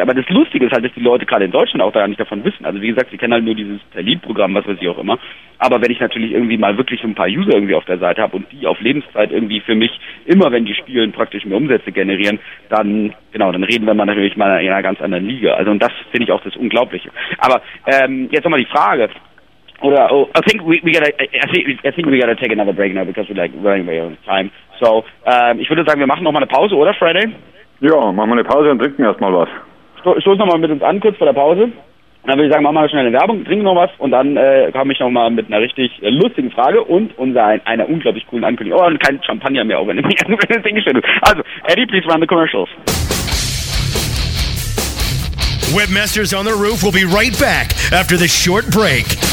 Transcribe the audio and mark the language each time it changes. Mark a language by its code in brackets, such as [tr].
[de] Aber das Lustige ist halt, dass die Leute gerade in Deutschland auch da gar nicht davon wissen. Also wie gesagt, sie kennen halt nur dieses Talentprogramm, was weiß ich auch immer. Aber wenn ich natürlich irgendwie mal wirklich ein paar User irgendwie auf der Seite habe und die auf Lebenszeit irgendwie für mich immer, wenn die spielen, praktisch mehr Umsätze generieren, dann, genau, dann reden wir mal natürlich mal in einer ganz anderen Liga. Also und das finde ich auch das Unglaubliche. Aber jetzt nochmal die Frage. [en] Oder I think we gotta take another break now because we're like running away on time. [de] So, ich würde sagen, wir machen nochmal eine Pause, oder, Friday? Ja, machen wir eine Pause und trinken erstmal was. Stoß nochmal mit uns an, kurz vor der Pause. Und dann würde ich sagen, machen wir schnell eine Werbung, trinken noch was und dann komme ich nochmal mit einer richtig lustigen Frage und einer unglaublich coolen Ankündigung. Oh, und kein Champagner mehr, auch wenn du mir das Ding gestellt hast. [en] Also, Eddie, please run the commercials. Webmasters on the Roof will be right back after this short break.